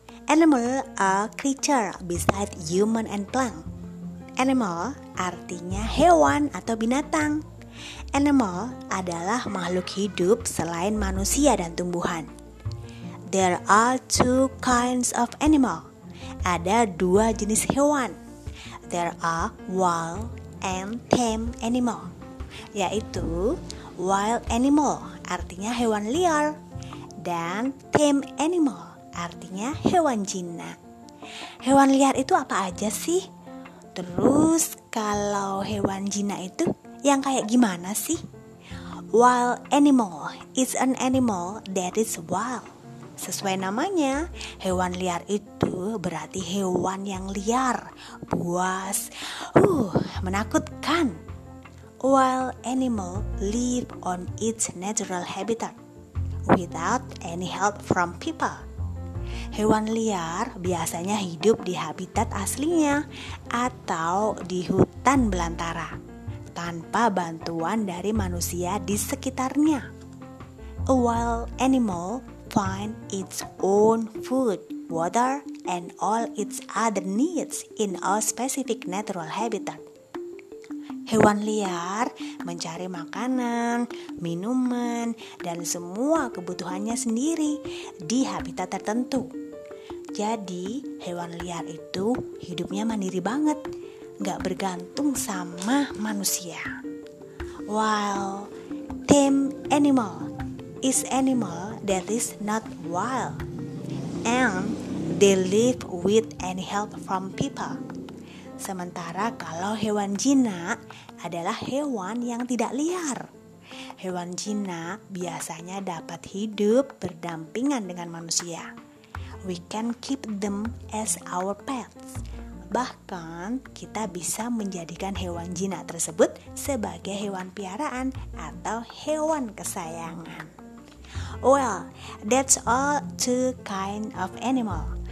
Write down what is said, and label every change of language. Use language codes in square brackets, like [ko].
[en] Animal are creature beside human and plant. [id] Animal artinya hewan atau binatang. Animal adalah makhluk hidup selain manusia dan tumbuhan. [en] There are two kinds of animal. [id] Ada dua jenis hewan. [en] There are wild and tame animal. [id] Yaitu wild animal artinya hewan liar dan tame animal artinya hewan jinak. Hewan liar itu apa aja sih? Terus kalau hewan jinak itu yang kayak gimana sih? [en] Wild animal is an animal that is wild. [id] Sesuai namanya, hewan liar itu berarti hewan yang liar, buas, menakutkan. [en] Wild animal live on its natural habitat without any help from people. [id] Hewan liar biasanya hidup di habitat aslinya atau di hutan belantara tanpa bantuan dari manusia di sekitarnya. [en] A wild animal find its own food, water, and all its other needs in a specific natural habitat. [id] Hewan liar mencari makanan, minuman, dan semua kebutuhannya sendiri di habitat tertentu. Jadi, hewan liar itu hidupnya mandiri banget, gak bergantung sama manusia. [en] While tame animal is animal that is not wild, and they live with any help from people. [id] Sementara kalau hewan jinak adalah hewan yang tidak liar. Hewan jinak biasanya dapat hidup berdampingan dengan manusia. [en] We can keep them as our pets. [id] Bahkan kita bisa menjadikan hewan jinak tersebut sebagai hewan piaraan atau hewan kesayangan. [en] Well, that's all two kind of animal.